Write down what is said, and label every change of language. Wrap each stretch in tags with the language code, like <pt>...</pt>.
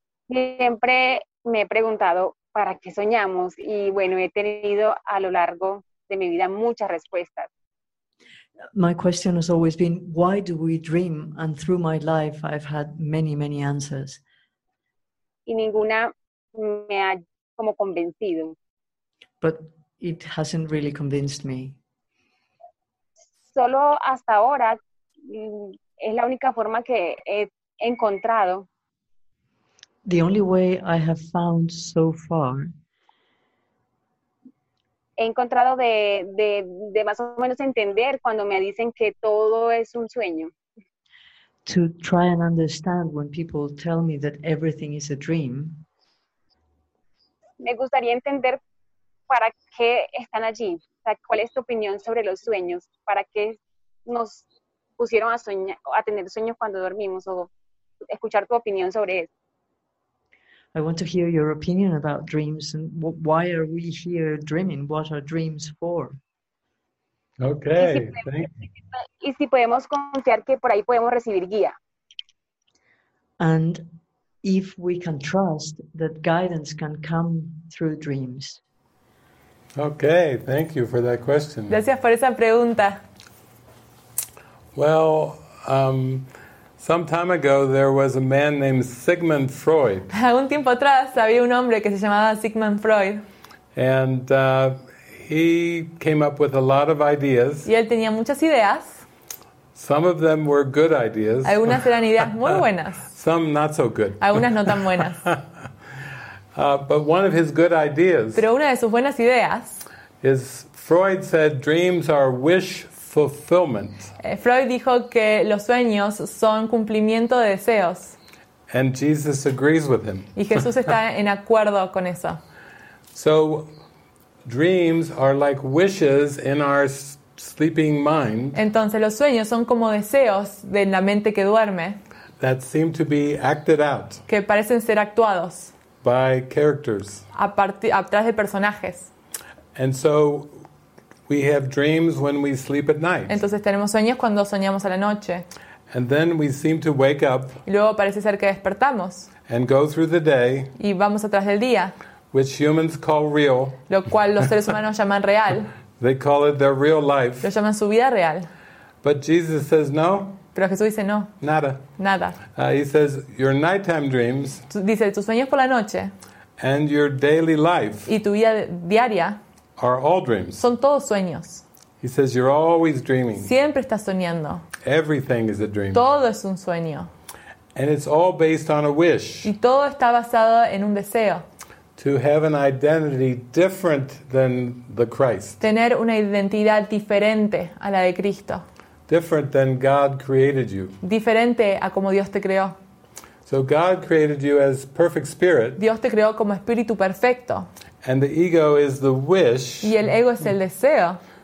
<es>Siempre me he preguntado para qué soñamos y bueno, he tenido a lo largo de mi vida muchas respuestas.</es> <en>My question has always been, why do we dream? And through my life, I've had many, many answers.</en> <es>Y ninguna me ha como convencido.</es> <en>But it hasn't really convinced me.</en> <es>Solo hasta ahora es la única forma que he encontrado.</es> <en>The only way I have found so far.</en> <es>He encontrado de más o menos entender cuando me dicen que todo es un sueño.</es> <en>To try and understand when people tell me that everything is a dream.</en> <es>Me gustaría entender para qué están allí. O sea, ¿cuál es tu opinión sobre los sueños? ¿Para qué nos pusieron a tener sueños cuando dormimos o escuchar tu opinión sobre eso?</es> <en>I want to hear your opinion about dreams and why are we here dreaming? What are dreams for? Okay.</en> <es>Y si podemos confiar que por ahí podemos recibir guía.</es> <en>And if we can trust that guidance can come through dreams. Okay, thank you for that question.</en> <es>Gracias por esa pregunta.</es> <en>Well, some time ago there was a man named Sigmund Freud.</en> <es>Un tiempo atrás había un hombre que se llamaba Sigmund Freud.</es> <en>And he came up with a lot of ideas.</en> <es>Y él tenía muchas ideas.</es> <en>Some of them were good ideas.</en> <es>Algunas eran ideas muy buenas.</es> <en>Some not so good.</en> <es>Algunas no tan buenas.</es> <en>But one of his good ideas.</en> <es>Pero una de sus buenas ideas.</es> <en>Is Freud said dreams are wish fulfillment.</en> <es>Freud dijo que los sueños son cumplimiento de deseos.</es> <en>And Jesus agrees with him.</en> <es>Y Jesús está en acuerdo con eso.</es> <en>So dreams are like wishes in our sleeping mind.</en> <es>Entonces los sueños son como deseos de la mente que duerme.</es> <en>that seem to be acted out.</en> <es>Que parecen ser actuados.</es> <en>By characters.</en> <es>Atrás de personajes.</es> <en>And so we have dreams when we sleep at night.</en> <es>Entonces tenemos sueños cuando soñamos a la noche.</es> <en>And then we seem to wake up.</en> <es>Y luego parece ser que despertamos.</es> <en>And go through the day.</en> <es>Y vamos atrás del día.</es> <en>Which humans call real.</en> <es>Lo cual los seres humanos llaman real.</es> <en>They call it their real life.</en> <es>Lo llaman su vida real.</es> <en>But Jesus says no.</en> <es>Pero Jesús dice no. Nada. Nada.</es> <en>He says your nighttime dreams.</en> <es>Dice tus sueños por la noche.</es> <en>And your daily life.</en> <es>Y tu vida diaria.</es> <en>Are all dreams.</en> <es>Son todos sueños.</es> <en>He says you're always dreaming.</en> <es>Siempre estás soñando.</es> <en>Everything is a dream.</en> <es>Todo es un sueño.</es> <en>And it's all based on a wish.</en> <es>Y todo está basado en un deseo.</es> <en>To have an identity different than the Christ.</en> <es>Tener una identidad diferente a la de Cristo.</es> <en>Different than God created you.</en> <es>Diferente a como Dios te creó.</es> <en>So God created you as perfect spirit.</en> <es>Dios te creó como espíritu perfecto.</es> <en>And the ego is the wish.</en> <es>Y el ego es el deseo.</es>